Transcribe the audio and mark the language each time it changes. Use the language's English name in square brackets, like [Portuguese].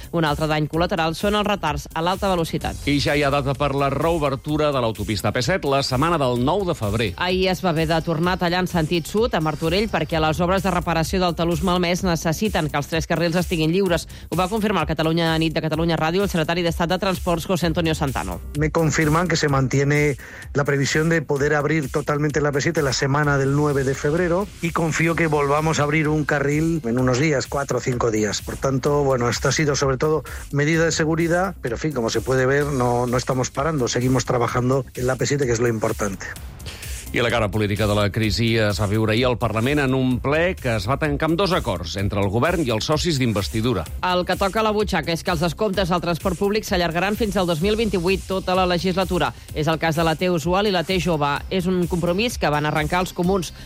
[Catalan] Un altre dany col·lateral són els retards a l'alta velocitat. I ja hi ha data per la reobertura de l'autopista P7 la setmana del 9 de febrer. Ahir es va haver de tornar a tallar en sentit sud a Martorell perquè les obres de reparació del talús malmès necessiten que els tres carrils estiguin lliures. Ho va confirmar el Catalunya Nit de Catalunya Ràdio el secretari d'Estat de Transports, José Antonio Santano. [Spanish] Me confirman que se mantiene la previsión de poder abrir totalmente la P7 la semana del 9 de febrero y confío que volvamos a abrir un carril en unos días, 4 o 5 días. Por tanto, bueno, esto ha sido sobre todo medida de seguridad, pero en fin, como se puede ver, no estamos parando, seguimos trabajando en la P7, que es lo importante. [Catalan] I la cara política de la crisi es va viure ahir al Parlament en un ple que es va tancar amb dos acords entre el govern i els socis d'investidura. El que toca a la butxaca és que els descomptes del transport públic s'allargaran fins al 2028 tota la legislatura. És el cas de la T usual i la T jove. És un compromís que van arrencar els comuns.